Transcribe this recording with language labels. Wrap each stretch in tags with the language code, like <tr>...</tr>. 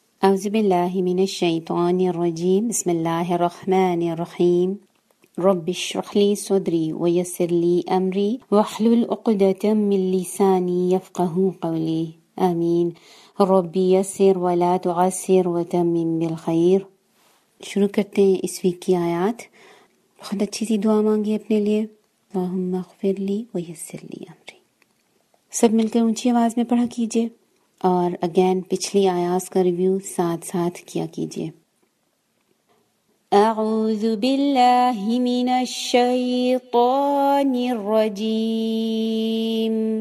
<ar>أعوذ بالله من الشيطان الرجيم. بسم الله الرحمن الرحيم. رب اشرح لي صدري ويسر لي أمري واحلل عقدة من لساني يفقه قولي. آمين. ربي يسر ولا تعسر وتمم بالخير.</ar> <ur>شروع کرتے ہیں اس ویک کی آیات. بہت اچھی سی دعا مانگی اپنے لیے.</ur> <ar>اللهم اغفر لي ويسر لي أمري.</ar> <ur>سب مل کر اونچی آواز میں پڑھا کیجئے, اور اگین پچھلی آیات کا ریویو ساتھ ساتھ کیا کیجیے.</ur> <ar>اعوذ باللہ من الشیطان الرجیم.</ar>